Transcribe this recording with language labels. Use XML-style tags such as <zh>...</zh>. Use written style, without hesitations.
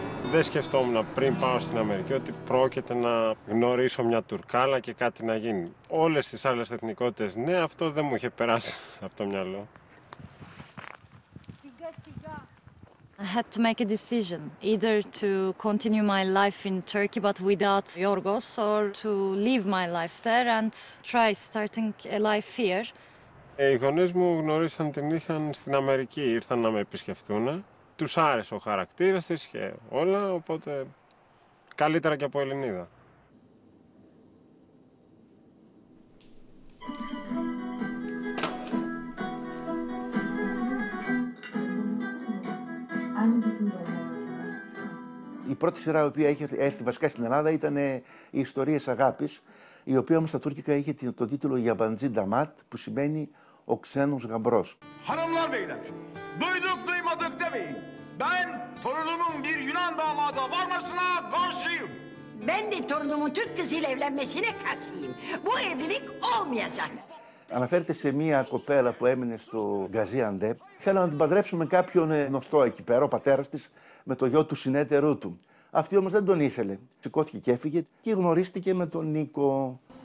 <el>Δεν σκεφτόμουν πριν πάω στην Αμερική ότι πρόκειται να γνωρίσω μια Τουρκάλα και κάτι να γίνει. Όλες τις άλλες εθνικότητες, ναι, αυτό δεν μου είχε περάσει από το μυαλό.</el> <en>I had to make a decision, either to continue my life in Turkey but without Yorgos or to leave my life there and try starting a life here.</en> <el>Οι γονείς μου γνωρίσαν την είχαν στην Αμερική, ήρθαν να με επισκεφτούν. Τους άρεσε ο χαρακτήρας της και όλα, οπότε καλύτερα και από Ελληνίδα. Η πρώτη σειρά που είχε έρθει βασικά στην Ελλάδα ήταν οι Ιστορίες Αγάπης, η οποία όμως στα τουρκικά είχε το τίτλο Yabancı Damat, που σημαίνει ο ξένος γαμπρός.</el> <tr>Hanımlar beyler, duyduk duymadık demeyin. Ben torunumun bir Yunan damada varmasına karşıyım. Ben de torunumun Türk kızıyla evlenmesine karşıyım. Bu evlilik olmayacak.</tr> <el>Αναφέρεται σε μία κοπέλα που έμεινε στο Gaziantep. Θέλω να την παντρέψουμε κάποιον γνωστό εκεί πέρα, ο πατέρας της, με το γιο του συνέτερου του. Αυτή όμως δεν τον ήθελε. Σηκώθηκε και έφυγε και γνωρίστηκε με τον Νίκο.</el>